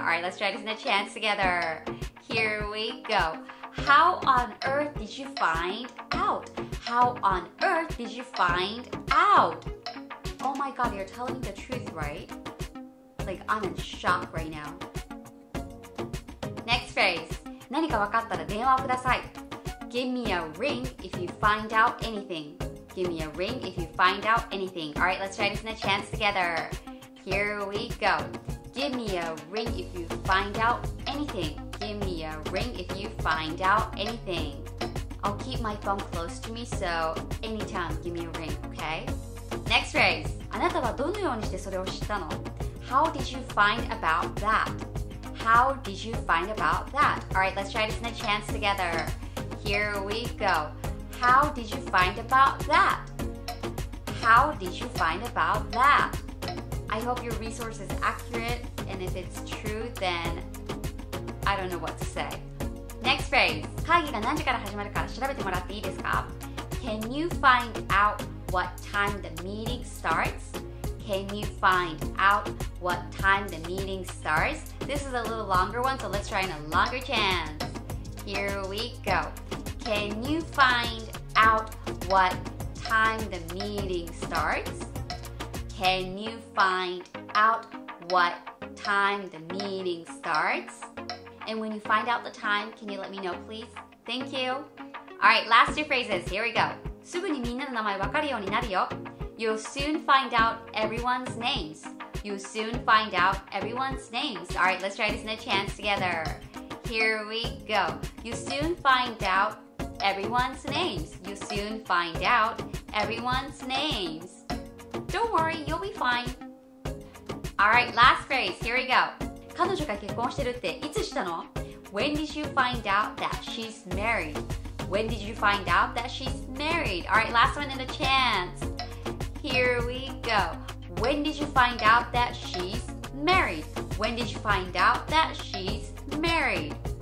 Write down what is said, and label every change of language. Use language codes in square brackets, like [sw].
[en] Alright, let's try this in a chance together. Here we go. How on earth did you find out? How on earth did you find out? Oh my god, you're telling the truth, right? Like, I'm in shock right now. Next phrase. [ja] 何かわかったら電話をください。 [en] Give me a ring if you find out anything. Give me a ring if you find out anything. Alright, let's try this in a chance together. Here we go. Give me a ring if you find out anything. Give me a ring if you find out anything. I'll keep my phone close to me, so anytime, give me a ring, okay? Next phrase. [ja] あなたはどのようにしてそれを知ったの? [en] How did you find about that? How did you find about that? Alright, let's try this in a chance together. Here we go. How did you find about that? How did you find about that? I hope your resource is accurate, and if it's true, then I don't know what to say. Next phrase. [ja] 会議が何時から始まるか調べてもらっていいですか? [en] Can you find out what time the meeting starts? Can you find out what time the meeting starts? This is a little longer one, so let's try in a longer chance. Here we go. Can you find out what time the meeting starts? Can you find out what time the meeting starts? And when you find out the time, can you let me know, please? Thank you. Alright, last two phrases. Here we go. [ja] すぐにみんなの名前わかるようになるよ。 [en] You'll soon find out everyone's names. You'll soon find out everyone's names. Alright, let's try this in a chance together. Here we go. You'll soon find out everyone's names. You'll soon find out everyone's names. Don't worry, you'll be fine. Alright, last phrase. Here we go. [ja] 彼女が結婚してるっていつ知ったの? [en] When did you find out that she's married? When did you find out that she's married? Alright, last one in a chance. Here we go. When did you find out that she's married? When did you find out that she's married?